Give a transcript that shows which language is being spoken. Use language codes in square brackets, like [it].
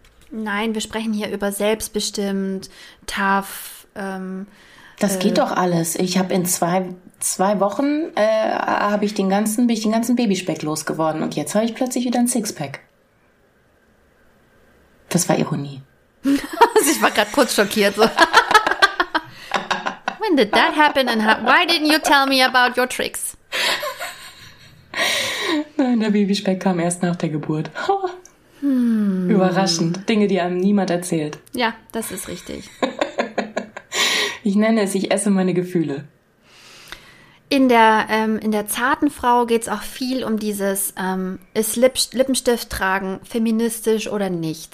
[de] Nein, wir sprechen hier über selbstbestimmt, tough. Das geht doch alles. Ich habe in zwei Wochen habe ich den ganzen Babyspeck losgeworden und jetzt habe ich plötzlich wieder ein Sixpack. Das war Ironie. Ich war gerade kurz schockiert. So. [en] When did that happen and why didn't you tell me about your tricks? [de] Nein, der Babyspeck kam erst nach der Geburt. Überraschend. Dinge, die einem niemand erzählt. Ja, das ist richtig. Ich nenne es, ich esse meine Gefühle. In der zarten Frau geht es auch viel um dieses, ist Lippenstift tragen feministisch oder nicht?